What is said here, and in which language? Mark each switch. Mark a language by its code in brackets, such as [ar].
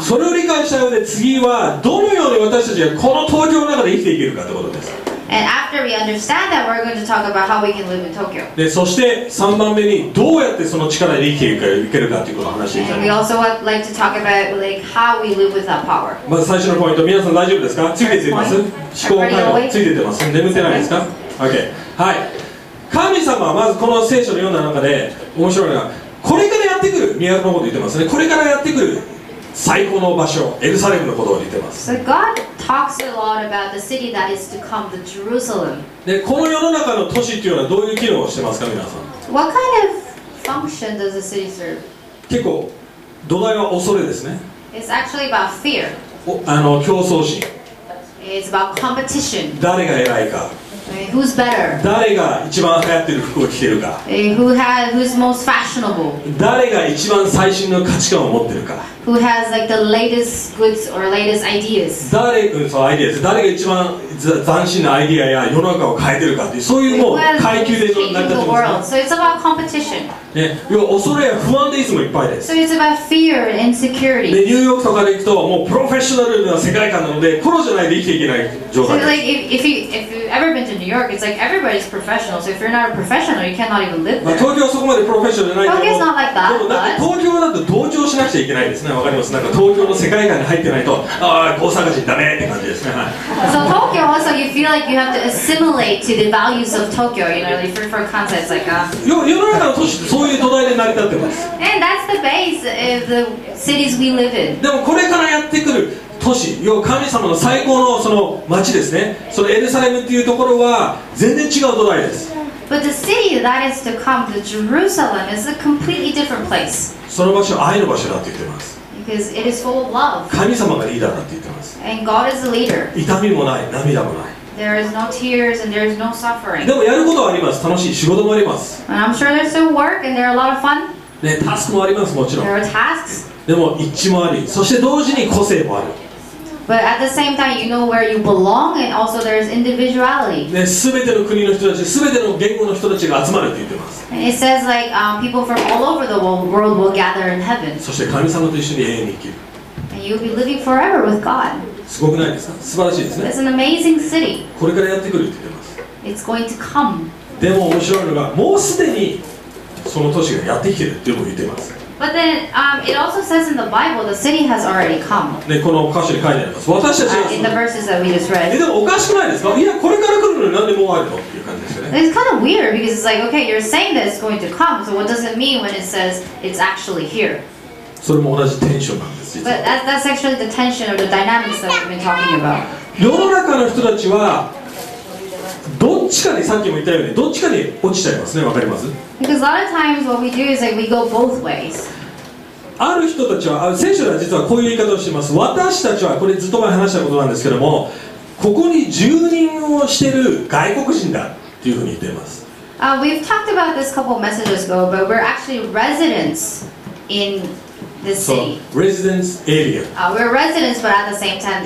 [ja] それを理解した上で次はどのように私たちがこの東京の中で生きていけるかということです。 [en] And after we understand that, we're going to talk about how we can live in Tokyo. [ja] で、そして3番目にどうやってその力で生きていけるかということを話していきたい。 [en] And we also would like to talk about like how we live with that power. [ja] まず最初のポイント、皆さん大丈夫ですか？ついていてます？思考回路ついていてます？眠ってないですか？Okay. はい、神様はまずこの聖書の読んだ中で面白いのが、これからやってくる都のことを言ってますね。これからやってくる最高の場所、エルサレムのことを言ってます。 [en] So God talks a lot about the city that is to come, the Jerusalem. [ja] で、この世の中の都市っていうのはどういう機能をしてますか、皆さん。 [en] What kind of function does the city serve? [ja] 結構土台は恐れですね。 [en] It's actually about fear. [ja] 競争心。 [en] It's about competition. [ja] 誰が偉いか。 [en] Who's better? [ja] 誰が一番流行ってる服を着てるか。 [en] Who's most fashionable? [ja] 誰が一番最新の価値観を持ってるか。 [en] Who has like the latest goods or latest ideas? [ja] 誰が一番斬新なアイデアや世の中を変えてるかっていう、そういうもう階級でなってますね。 [en] So it's about competition. [ja] ね、要は恐れや不安でいつもいっぱいです。 [en] So it's about fear and insecurity. [ja] で、ニューヨークとかで行くと、もうプロフェッショナルな世界観なので、プロじゃないと生きていけない状態です。 [en] So like if you've ever been to New York, it's like everybody's professional. So if you're not a professional, you cannot even live there. [ja] まあ、東京はそこまでプロフェッショナルじゃない [en] けど、Tokyo's not like that. [ja] でもなんか東京だと同調しなくちゃいけないですね。わかります。なんか東京の世界観に入ってないと、ああ、大阪人ダメって感じですね。はい。 [en] So Tokyo also, you feel like you have to assimilate to the values of Tokyo. You know, like for context, like. [ja] 世の中の都市ってそういう土台で成り立ってます。 [en] And that's the base of the cities we live in. [ja] でもこれからやってくる都市、要は神様の最高のその街ですね。そのエルサレムっていうところは全然違う土台です。 [en] But the city that is to come, the Jerusalem, is a completely different place. [ja] その場所は愛の場所だって言ってます。 [en] Because it is full of love. [ja] 神様がリーダーだって言ってます。 [en] And God is the leader. [ja] 痛みもない、涙もない。 [en] There is no tears and there is no suffering. [ja] でもやることはあります。楽しい仕事もあります。 [en] And I'm sure there's some work and there are a lot of fun. [ja] ね、タスクもあります、もちろん。 [en] There are tasks. [ja] でも一致もあり、そして同時に個性もある。 [en] But at the same time, you know where you belong and also there is individuality. [ja] ね、すべての国の人たち、すべての言語の人たちが集まるって言ってます。 [en] It says like people from all over the world will gather in heaven. [ja] そして神様と一緒に永遠に生きる。 [en] And you'll be living forever with God. [ja] すごくないですか？素晴らしいですね。 [en] It's an amazing city. [ja] これからやってくるって言ってます。 [en] It's going to come. [ja] でも面白いのが、もうすでにその都市がやってきてるっていうのも言ってます。 [en] But then it also says in the Bible the city has already come. [ja] ね、この箇所に書いてあります。私たちが。 [en] In the verses that we just read. [ja] でもおかしくないですか？いや、これから来るのになんでもうあるの？ [en] It's kind of weird because it's like, okay, you're saying that it's going to come, so what does it mean when it says it's actually here? [ja] それも同じテンションなんです。 [en] But that's actually the tension of the dynamics that we've been talking about. [ja] 世の中の人たちはどっちかに、さっきも言ったようにどっちかに落ちちゃいますね。わかります？ [en] Because a lot of times what we do is like we go both ways. [ja] ある人たちは、聖書では実はこういう言い方をしています。私たちは、これずっと前話したことなんですけども、ここに住人をしている外国人だ。というふうに言っています。 [en] We've talked about this couple messages ago, but we're actually residents in this city. So, residence area. We're residents, but at the same time,